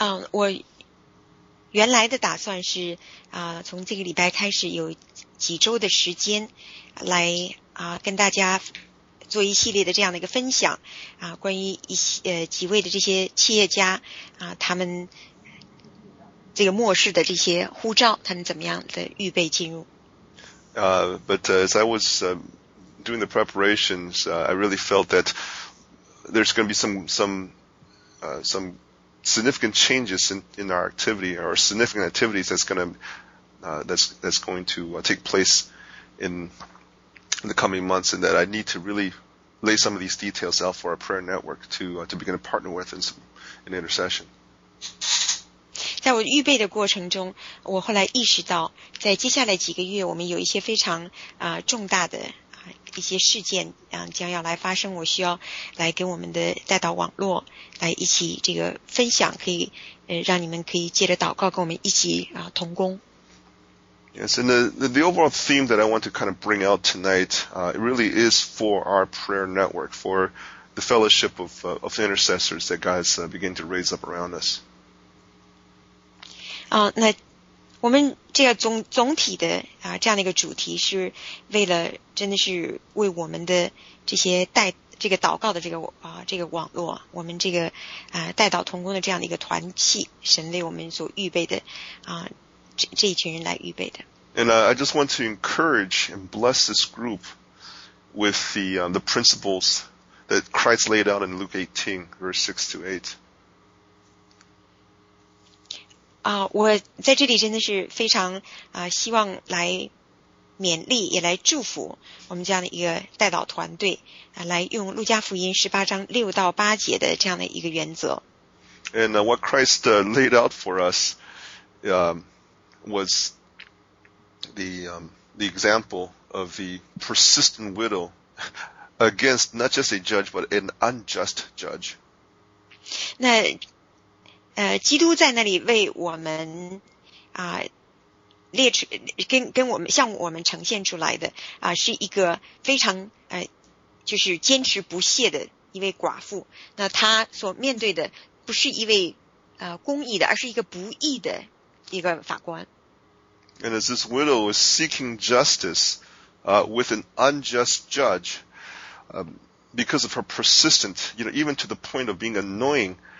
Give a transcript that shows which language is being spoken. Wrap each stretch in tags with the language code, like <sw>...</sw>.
<zh>我原来的打算是从这个礼拜开始有几周的时间来跟大家做一系列的这样的一个分享关于几位的这些企业家他们这个末世的这些呼召，他们怎么样的预备进入？</zh> <en>As I was doing the preparations, I really felt that there's going to be some significant changes in our activity or significant activities that's going to take place in the coming months, and that I need to really lay some of these details out for our prayer network to begin to partner with in intercession.</en> <zh>在我预备的过程中，我后来意识到，在接下来几个月，我们有一些非常重大的一些事件将要来发生，我需要来跟我们的代祷网络来一起这个分享，可以让你们可以借着祷告跟我们一起同工。</zh> <en>Yes, and the overall theme that I want to kind of bring out tonight, it really is for our prayer network, for the fellowship of intercessors that God's beginning to raise up around us.</en> <zh>那我们这个总体的这样的一个主题是为了真的是为我们的这些这个祷告的这个网络，我们这个代祷同工的这样的一个团契，神为我们所预备的这一群人来预备的。</zh> <en>And I just want to encourage and bless this group with the principles that Christ laid out in Luke 18, verse 6 to 8.</en> <zh>我在这里真的是非常希望来勉励也来祝福我们这样的一个代祷团队来用路加福音18章6到8节的这样的一个原则。</zh> <en>And what Christ laid out for us was the example of the persistent widow against not just a judge but an unjust judge.</en> <zh>那基督在那里为我们列出跟我们向我们呈现出来的是一个非常就是坚持不懈的一位寡妇。那他所面对的不是一位公义的，而是一个不义的一个法官。</zh> <en>And as this widow was seeking justice with an unjust judge, because of her persistent, you know, even to the point of being annoying.</en>